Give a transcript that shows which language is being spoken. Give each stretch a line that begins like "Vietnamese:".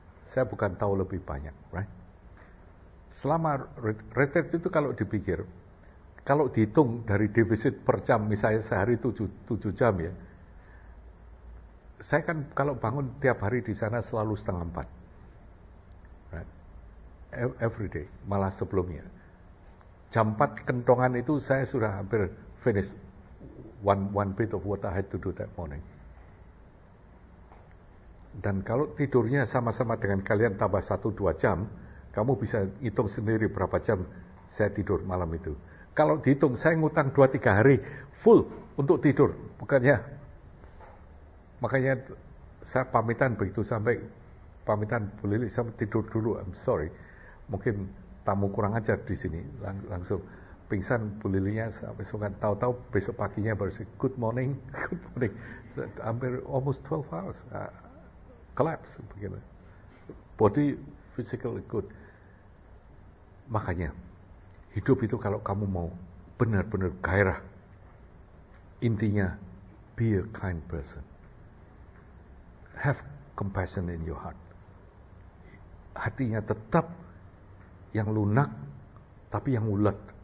Indonesian: Saya bukan tahu lebih banyak, right? Selama retreat itu kalau dipikir, Kalau dihitung dari defisit per jam, misalnya sehari 7 jam ya, saya kan kalau bangun tiap hari di sana selalu 3:30. Right?
English: Every day,
Indonesian: malah sebelumnya. Jam 4 kentongan itu saya sudah hampir
English: finish one bit of what I had to do that morning.
Indonesian: Dan kalau tidurnya sama-sama dengan kalian tambah 1-2 jam, kamu bisa hitung sendiri berapa jam saya tidur malam itu. Kalau dihitung, saya ngutang 2-3 hari full untuk tidur, bukannya. Makanya saya pamitan begitu sampai, pamitan Bu Lili, saya tidur dulu,
English: I'm sorry.
Indonesian: Mungkin tamu kurang ajar di sini, langsung pingsan Bu Lilinya sampai sungkan. Tahu-tahu besok paginya baru say,
English: good morning,
Indonesian: hampir
English: almost
Indonesian: 12 hours. Collapse, begini.
English: Body, physical, good.
Indonesian: Makanya, hidup itu kalau kamu mau benar-benar gairah, intinya,
English: be a kind person. Have compassion in your heart.
Indonesian: Hatinya tetap yang lunak, tapi yang ulet.